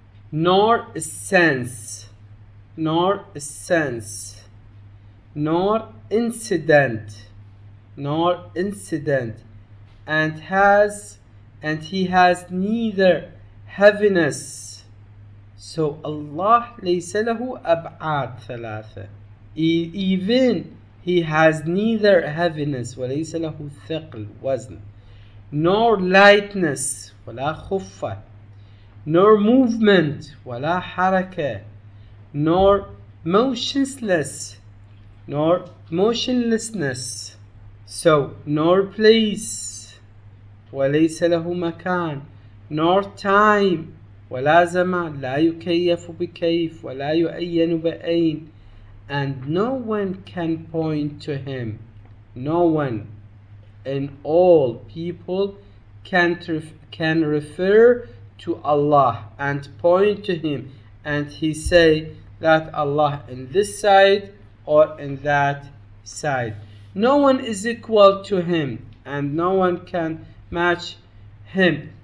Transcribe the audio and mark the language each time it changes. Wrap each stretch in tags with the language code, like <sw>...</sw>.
<en>Nor essence. Nor essence. Nor incident. Nor incident. And he has neither heaviness. So Allah</en> <ar>ليس له أبعاد ثلاثة.</ar> <en>Even he has neither heaviness</en> <ar>وليس له ثقل وزن,</ar> <en>nor lightness</en> <ar>ولا خفة,</ar> <en>nor movement</en> <ar>ولا حركة,</ar> <en>nor motionless, nor motionlessness. So nor place.</en> <ar>وليس له مكان,</ar> <en>nor time,</en> <ar>ولا زمان, لا يكيف بكيف, ولا يؤين بأين,</ar> <en>and no one can point to him. No one in all people can refer to Allah and point to him, and he say that Allah in this side or in that side. No one is equal to him, and no one can match him.</en>